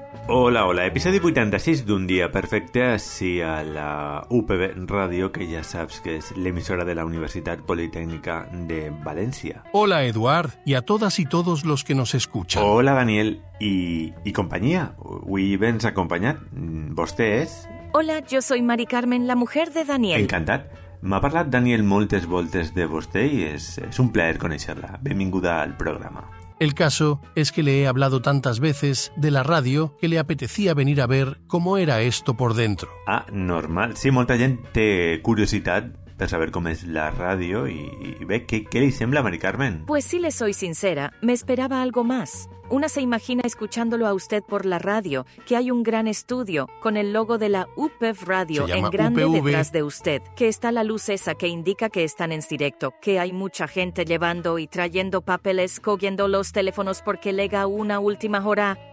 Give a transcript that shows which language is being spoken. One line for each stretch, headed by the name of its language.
Catalan: Hola, hola, episodi 86 d'un dia perfecte, sí, a la UPB Ràdio, que ja saps que és l'emissora de la Universitat Politécnica de València.
Spanish: Hola, Eduard, y a todas y todos los que nos escuchan.
Catalan: Hola, Daniel,
Spanish: y compañía,
Catalan: avui vens acompanyat, vostè és...
Spanish: Hola, yo soy Mari Carmen, la mujer de Daniel.
Catalan: Encantat. M'ha parlat Daniel moltes voltes de vostè i és un plaer conèixer-la. Benvinguda al programa.
Spanish: El caso es que le he hablado tantas veces de la radio que le apetecía venir a ver cómo era esto por dentro. Ah, normal.
Catalan: Sí, molta gent té curiositat per saber com és la ràdio i bé, què li sembla a Mari Carmen?
Spanish: Pues si le soy sincera, me esperaba algo más. Una se imagina escuchándolo a usted por la radio, que hay un gran estudio con el logo de la UPEV Radio en grande UPV. Detrás de usted, que está la luz esa que indica que están en directo, que hay mucha gente llevando y trayendo papeles, cogiendo los teléfonos porque llega una última hora...